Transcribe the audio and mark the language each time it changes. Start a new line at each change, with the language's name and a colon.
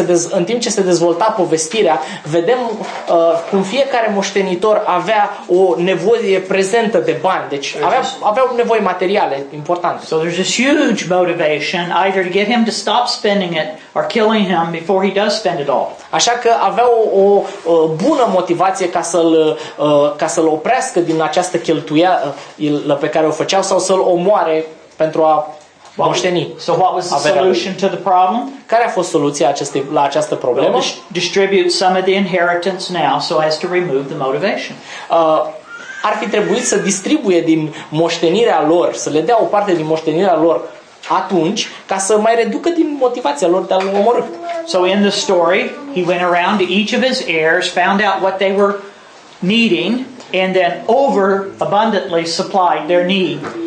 Romanian: În timp ce se dezvolta povestirea, vedem cum fiecare moștenitor avea o nevoie prezentă de bani, deci avea nevoi materiale importante.
English: So there's this huge motivation either to get him to stop spending it or killing him before he does spend it all.
Romanian: Așa că avea o bună motivație ca să-l oprească din această cheltuială pe care o făcea sau să-l omoare pentru a moșteni.
English: So what was the solution to the problem?
Romanian: Care a fost soluția la această problemă?
English: Distribute some of the inheritance now so as to remove the motivation.
Romanian: Ar fi trebuit să distribuie din moștenirea lor, să le dea o parte din moștenirea lor atunci ca să mai reducă din motivația lor de a-l omorî.
English: So in the story, he went around to each of his heirs, found out what they were needing and then over abundantly supplied their need.